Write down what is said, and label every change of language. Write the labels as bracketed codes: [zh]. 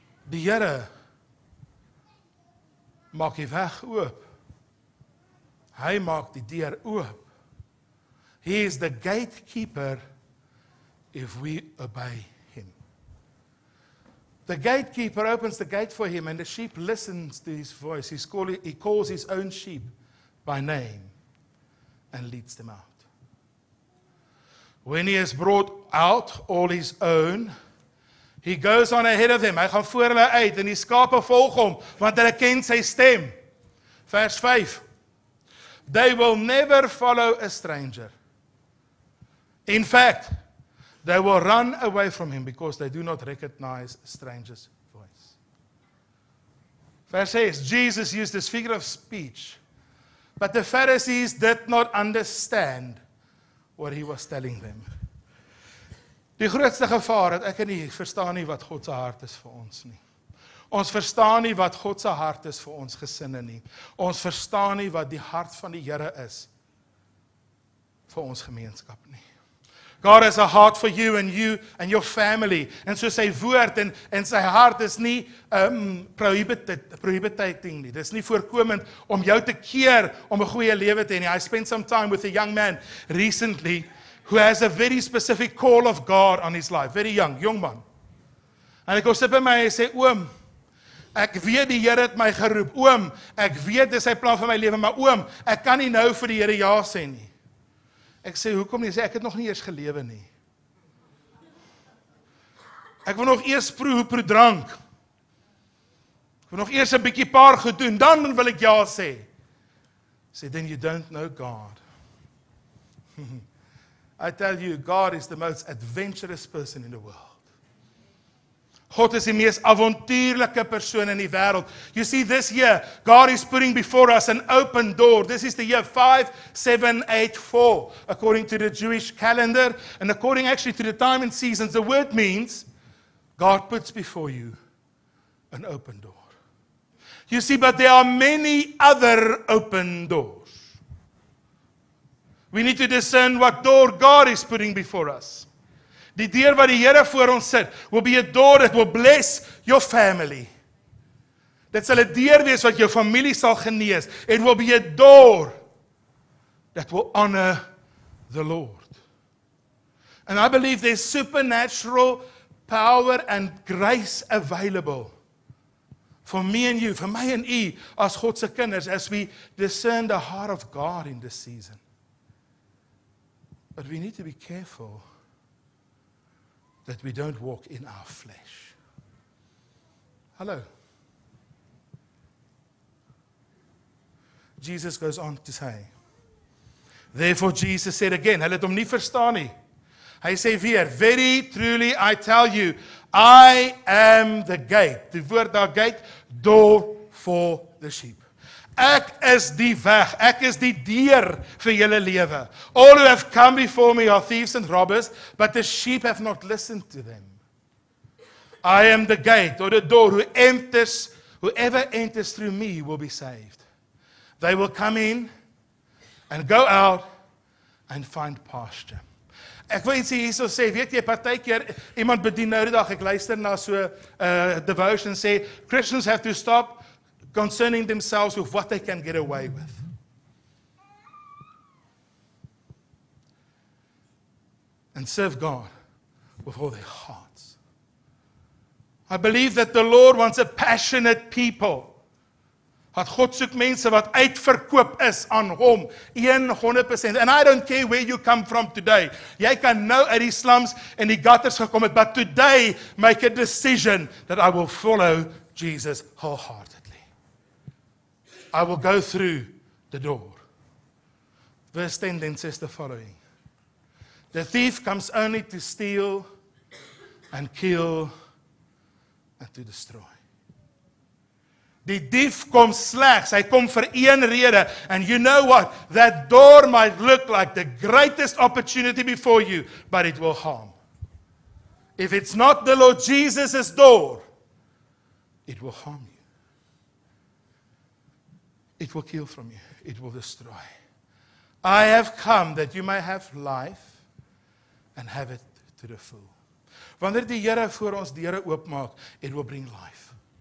[af] Die Here maak die weg oop. Hy maak die deur oop. [en] He is the gatekeeper if we obey Him. The gatekeeper opens the gate for Him and the sheep listens to His voice. He calls His own sheep by name and leads them out. When He has brought out all His own, He goes on ahead of them. [af] Hy gaan voor hulle uit en die skape volg hom, want hulle ken sy stem. Vers 5. [en] They will never follow a stranger. In fact, they will run away from him because they do not recognize a stranger's voice. [af] Vers 6. [en] Jesus used this figure of speech, but the Pharisees did not understand what He was telling them. [af] Die grootste gevaar, dat ek en nie verstaan nie wat God se hart is vir ons nie. Ons verstaan nie wat God se hart is vir ons gesinne nie. Ons verstaan nie wat die hart van die Here is vir ons gemeenskap nie. [en] God has a heart for you and you and your family. [af] En so sy woord en sy hart is nie prohibiting nie. Dis nie voorkomend om jou te keer om 'n goeie lewe te hê nie. [en] I spent some time with a young man recently who has a very specific call of God on his life, very young man. [af] En ek kom sit by my en sê, oom, ek weet die Here het my geroep, oom, ek weet dis sy plan vir my lewe, maar oom, ek kan nie nou vir die Here ja sê nie. Ek sê, hoekom nie? Sê, ek het nog nie eers gelewe nie. Ek wil nog eers proe drank. Ek wil nog eers 'n bietjie paar goed doen, dan wil ek ja sê. [en] Sê, then you don't know God. I tell you, God is the most adventurous person in the world. [af] God is die mees avontuurlike persoon in die wêreld. [en] You see this year, God is putting before us an open door. This is the year 5784, according to the Jewish calendar, and according actually to the time and seasons, the word means, God puts before you an open door. You see, but there are many other open doors. We need to discern what door God is putting before us. [af] Die deur wat die Here voor ons sit, [en] will be a door that will bless your family. [af] Dit sal 'n deur wees wat jou familie sal genees. [en] It will be a door that will honor the Lord. And I believe there's supernatural power and grace available for me and you, for my and you, as [af] God se kinders, [en] as we discern the heart of God in this season. But we need to be careful that we don't walk in our flesh. Hello. Jesus goes on to say, therefore Jesus said again, [af] hulle het hom nie verstaan nie. Hy sê weer, [en] very truly I tell you, I am the gate. [af] Die woord daar [en] gate, door for the sheep. [af] Ek is die weg, ek is die deur vir julle lewe. [en] All who have come before me are thieves and robbers, but the sheep have not listened to them. I am the gate, or the door, whoever enters through me will be saved. They will come in, and go out, and find pasture. [af] Ek wil iets hierso sê, weet jy, partykeer, iemand bedien nou die dag, ek luister na so devotion, sê, [en] Christians have to stop concerning themselves with what they can get away with. And serve God with all their hearts. I believe that the Lord wants a passionate people. [af] Dat God soek mense wat uitverkoop is aan hom. [en] 100%. And I don't care where you come from today. [af] Jy kan nou uit die slums en die gutters gekom het, [en] but today make a decision that I will follow Jesus wholeheartedly. I will go through the door. Verse 10 then says the following. The thief comes only to steal and kill and to destroy. [af] Die dief kom slegs, hy kom vir een rede. [en] And you know what? That door might look like the greatest opportunity before you, but it will harm. If it's not the Lord Jesus' door, it will harm you. It will kill from you. It will destroy. I have come that you may have life and have it to the full. [af] Wanneer die Here voor ons deure oopmaak, [en] it will bring life.